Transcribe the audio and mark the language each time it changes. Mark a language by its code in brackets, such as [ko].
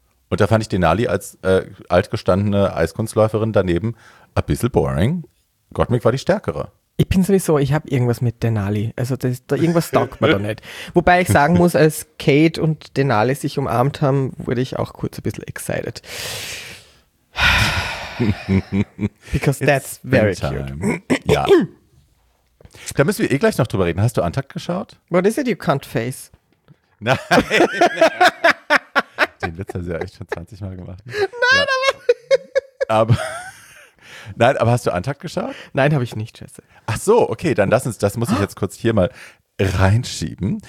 [de] Und da fand ich Denali als altgestandene Eiskunstläuferin daneben ein bisschen boring. Gottmik war die Stärkere. Ich bin sowieso, ich habe irgendwas mit Denali. Also das, da irgendwas taugt mir da nicht. Wobei ich sagen muss, als Kate und Denali sich umarmt haben, wurde ich auch kurz ein bisschen excited. [en] Because that's it's very cute. [de] Ja. Da müssen wir eh gleich noch drüber reden. Hast du Antakt geschaut? [en] What is it you can't face? [de] Nein. Den Witz hast du ja echt schon 20 Mal gemacht. Nein, ja. aber hast du Antakt geschaut? Nein, habe ich nicht, Jesse. Ach so, okay, dann lass uns, das muss ich jetzt kurz hier mal reinschieben.